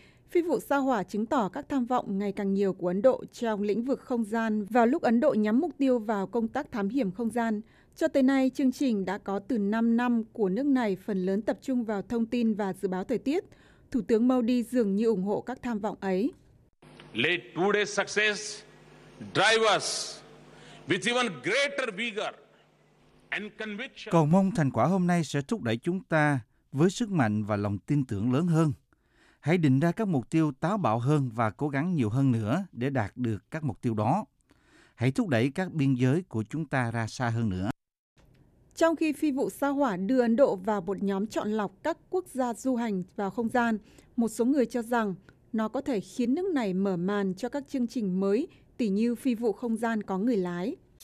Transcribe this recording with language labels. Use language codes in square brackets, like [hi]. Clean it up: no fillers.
[vi] Phi vụ sao Hỏa chứng tỏ các tham vọng ngày càng nhiều của Ấn Độ trong lĩnh vực không gian vào lúc Ấn Độ nhắm mục tiêu vào công tác thám hiểm không gian. Cho tới nay, chương trình đã có từ 5 năm của nước này phần lớn tập trung vào thông tin và dự báo thời tiết. Thủ tướng Modi dường như ủng hộ các tham vọng ấy. [en] Let today's success drive us with even greater vigor and conviction. [vi] Cầu mong thành quả hôm nay sẽ thúc đẩy chúng ta với sức mạnh và lòng tin tưởng lớn hơn. Hãy định ra các mục tiêu táo bạo hơn và cố gắng nhiều hơn nữa để đạt được các mục tiêu đó. Hãy thúc đẩy các biên giới của chúng ta ra xa hơn nữa. Trong khi phi vụ sao Hỏa đưa Ấn Độ vào một nhóm chọn lọc các quốc gia du hành vào không gian, một số người cho rằng nó có thể khiến nước này mở màn cho các chương trình mới, tỉ như phi vụ không gian có người lái.